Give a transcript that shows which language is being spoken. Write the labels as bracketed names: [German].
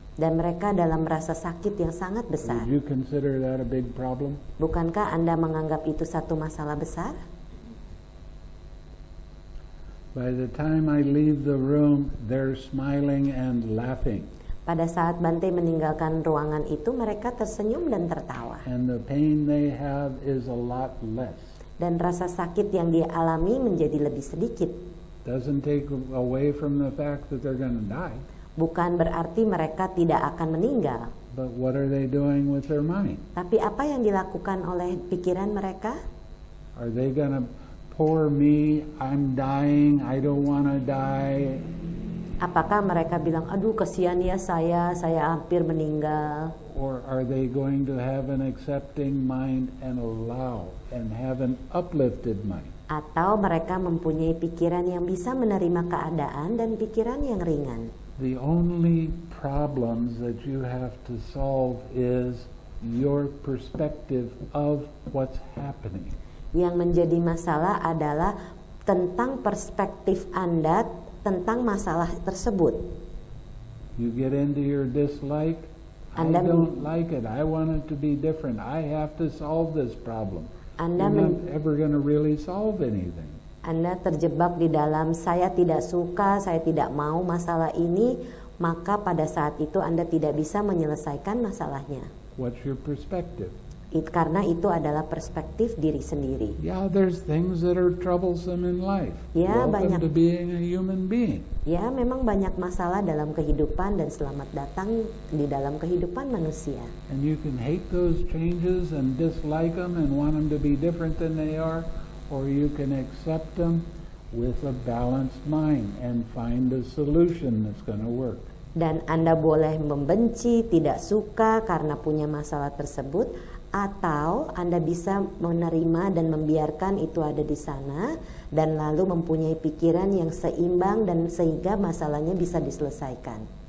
[Indonesian] Dan mereka dalam rasa sakit yang sangat besar. [English] Would you consider that a big problem? [Indonesian] Bukankah Anda menganggap itu satu masalah besar? [English] By the time I leave the room, they're smiling and laughing. [Indonesian] Pada saat Bante meninggalkan ruangan itu, mereka tersenyum dan tertawa. [English] And the pain they have is a lot less. [Indonesian] Dan rasa sakit yang dia alami menjadi lebih sedikit. [English] Doesn't take away from the fact that they're going to die. [Indonesian] Bukan berarti mereka tidak akan meninggal. [English] But what are they doing with their mind? [Indonesian] Tapi apa yang dilakukan oleh pikiran mereka? [English] Are they going to poor me? I'm dying. I don't want to die. [Indonesian] Apakah mereka bilang, aduh kasihan ya saya hampir meninggal? [English] Or are they going to have an accepting mind and allow and have an uplifted mind? [Indonesian] Atau mereka mempunyai pikiran yang bisa menerima keadaan dan pikiran yang ringan? [English] The only problems that you have to solve is your perspective of what's happening. [Indonesian] Yang menjadi masalah adalah tentang perspektif Anda tentang masalah tersebut. [English] You get into your dislike. [Indonesian] Anda [English] I don't like it. I want it to be different. I have to solve this problem. You're not ever going to really solve anything. [Indonesian] Anda terjebak di dalam saya tidak suka, saya tidak mau masalah ini, maka pada saat itu Anda tidak bisa menyelesaikan masalahnya. [English] What's your perspective? [Indonesian] Karena itu adalah perspektif diri sendiri. [English] Yeah, there's things that are troublesome in life. [Indonesian] Ya, [English] welcome [Indonesian] banyak, [English] to being a human being. [Indonesian] Ya, memang banyak masalah dalam kehidupan dan selamat datang di dalam kehidupan manusia. [English] And you can hate those changes and dislike them and want them to be different than they are, or you can accept them with a balanced mind and find a solution that's going to work. [Indonesian] Dan Anda boleh membenci, tidak suka karena punya masalah tersebut, atau Anda bisa menerima dan membiarkan itu ada di sana dan lalu mempunyai pikiran yang seimbang dan sehingga masalahnya bisa diselesaikan.